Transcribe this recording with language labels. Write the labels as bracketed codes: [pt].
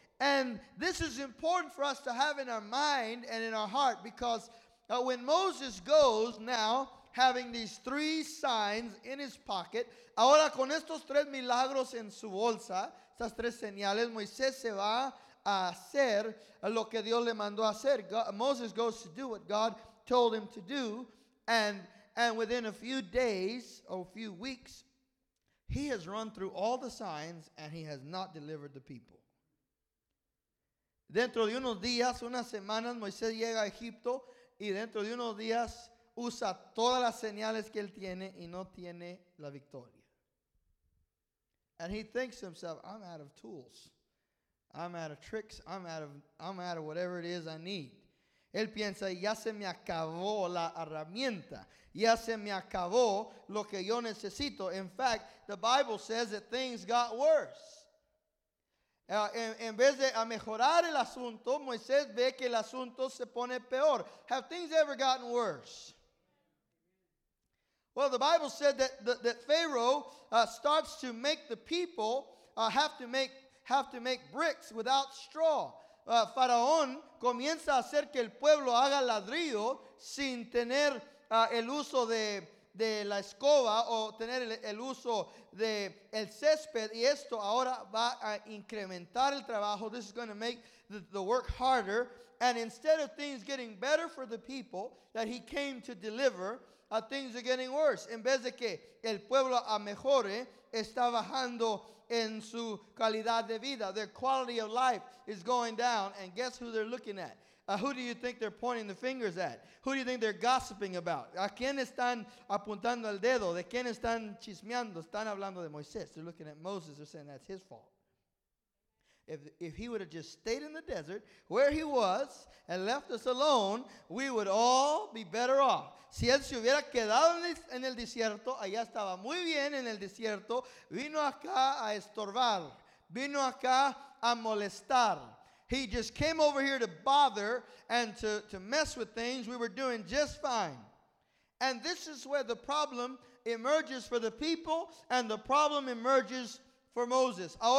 [en] And this is important for us to have in our mind and in our heart, because when Moses goes now, having these three signs in his pocket, [es] ahora con estos tres milagros en su bolsa, estas tres señales, Moisés se va a hacer lo que Dios le mandó hacer. [en] Moses goes to do what God told him to do, and within a few days or a few weeks, he has run through all the signs and he has not delivered the people. [es] Dentro de unos días, unas semanas, Moisés llega a Egipto y dentro de unos días usa todas las señales que él tiene y no tiene la victoria. [en] And he thinks to himself, I'm out of tools. I'm out of tricks. I'm out of whatever it is I need. [es] Él piensa, ya se me acabó la herramienta. Ya se me acabó lo que yo necesito. [en] In fact, the Bible says that things got worse. [es] En vez de a mejorar el asunto, Moisés ve que el asunto se pone peor. [en] Have things ever gotten worse? Well, the Bible said that Pharaoh starts to make the people have to make bricks without straw. [es] Faraón comienza a hacer que el pueblo haga ladrillo sin tener el uso de la escoba o tener el uso de el césped, y esto ahora va a incrementar el trabajo. [en] This is going to make the work harder. And instead of things getting better for the people that he came to deliver, things are getting worse. [es] En vez de que el pueblo a mejore, está bajando en su calidad de vida. [en] Their quality of life is going down. And guess who they're looking at? Who do you think they're pointing the fingers at? Who do you think they're gossiping about? [es] ¿A quién están apuntando el dedo? ¿De quién están chismeando? Están hablando de Moisés. [en] They're looking at Moses. They're saying that's his fault. If he would have just stayed in the desert where he was and left us alone, we would all be better off. [es] Si él se hubiera quedado en el desierto, allá estaba muy bien en el desierto, vino acá a estorbar, vino acá a molestar. [en] He just came over here to bother and to mess with things. We were doing just fine. And this is where the problem emerges for the people and the problem emerges for Moses.